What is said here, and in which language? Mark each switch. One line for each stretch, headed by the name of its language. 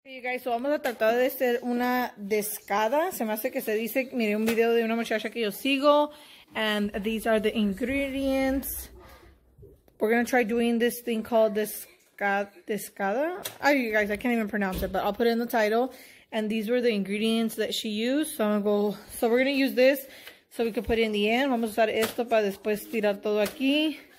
English: Hey guys, so
Spanish: vamos a tratar de hacer una descada. Se me hace que se dice, miré un video de una muchacha que yo sigo.
English: And these are the ingredients. We're going to try doing this thing called descada. Oh, you guys, I can't even pronounce it, but I'll put it in the title. And these were the ingredients that she used. So I'm going to go, so we're going to use this so we can put it in the end.
Spanish: Vamos a usar esto para después tirar todo aquí.